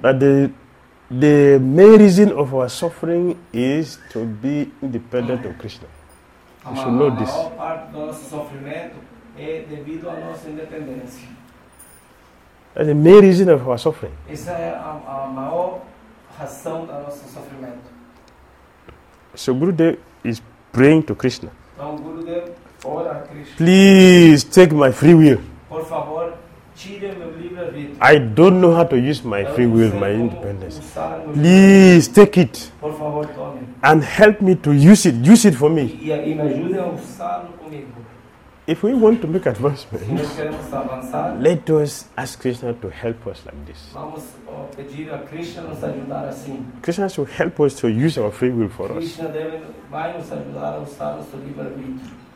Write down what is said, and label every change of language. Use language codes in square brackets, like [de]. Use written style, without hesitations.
[en] That the main reason of our suffering is to be independent of Krishna. We should know this. [pt] A maior parte do nosso sofrimento é devido à nossa independência. [en] That's the main reason of our suffering. [pt] Essa é a maior razão do nosso sofrimento. [en] So Gurudev is praying to Krishna. [pt] Então Gurudev ora a Krishna. [en] Please take my free will. [pt] Por favor, tire meu livre arbítrio. [en] I don't know how to use my free will, my independence. Please take it. [pt] Por favor, tome. [en] And help me to use it. Use it for me. [pt] E me ajude a usá-lo comigo. [en] If we want to make advancements, let us ask Krishna to help us like this. [pt] Vamos pedir a Krishna nos ajudar assim. [en] Krishna should help us to use our free will for Krishna us. [pt] Deve, vai nos ajudar a usar nosso livre arbítrio.